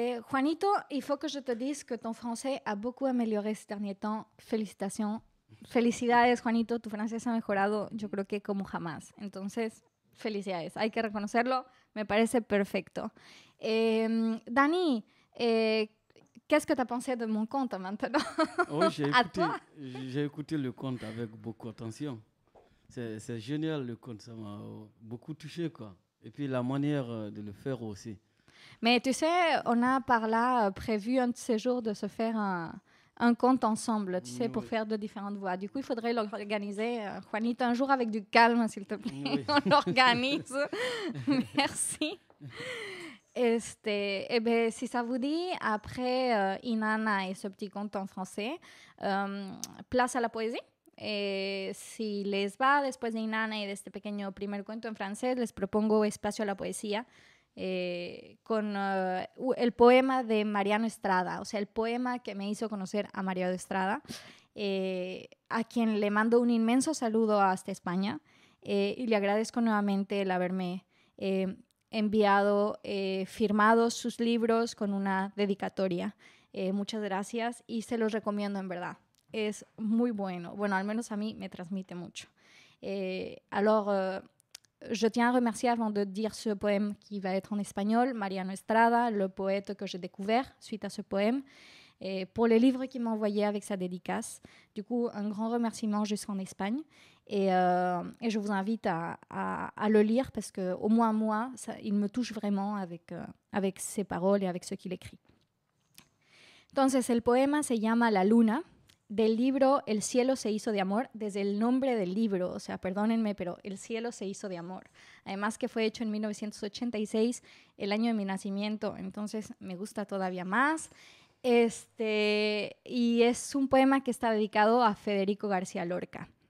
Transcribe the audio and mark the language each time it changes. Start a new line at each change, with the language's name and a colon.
French: Juanito, il faut que je te dise que ton français a beaucoup amélioré ces derniers temps.
Spanish: Félicitations. Felicidades, Juanito. Tu français a mejorado, yo creo que como jamás. Entonces, Felicidades, hay que reconocerlo, me parece perfecto.
French: Dani, qu'est-ce que tu as pensé de mon conte maintenant? J'ai écouté le conte avec beaucoup d'attention. C'est génial le conte, ça m'a beaucoup touché quoi. Et puis la manière de le faire aussi. Mais tu sais, on a par là prévu un de ces jours de se faire un conte ensemble, tu sais, pour faire de différentes voix. Du coup, il faudrait l'organiser. Juanita, un jour avec du calme, s'il te plaît, on l'organise. Merci. Eh bien, si ça vous dit, après Inanna et ce petit conte en français, place à la poésie.
Spanish: Si les va, después de Inanna y de este pequeño primer cuento en francés, les propongo espacio a la poesía. Con el poema de Mariano Estrada, o sea, el poema que me hizo conocer a Mariano Estrada, a quien le mando un inmenso saludo hasta España, y le agradezco nuevamente el haberme enviado, firmado sus libros con una dedicatoria. Muchas gracias y se los recomiendo en verdad. Es muy bueno. Bueno, al menos a mí me transmite mucho.
French: Je tiens à remercier, avant de dire ce poème qui va être en espagnol, Mariano Estrada, le poète que j'ai découvert suite à ce poème, et pour les livres qu'il m'a envoyés avec sa dédicace. Du coup, un grand remerciement jusqu'en Espagne. Et je vous invite à le lire parce qu'au moins moi, ça, il me touche vraiment avec ses paroles et avec ce qu'il écrit.
Spanish: Entonces, el poema se llama La Luna. Del libro El cielo se hizo de amor, desde el nombre del libro, o sea, perdónenme, pero El cielo se hizo de amor. Además que fue hecho en 1986, el año de mi nacimiento, entonces me gusta todavía más. Y es un poema que está dedicado a Federico García Lorca.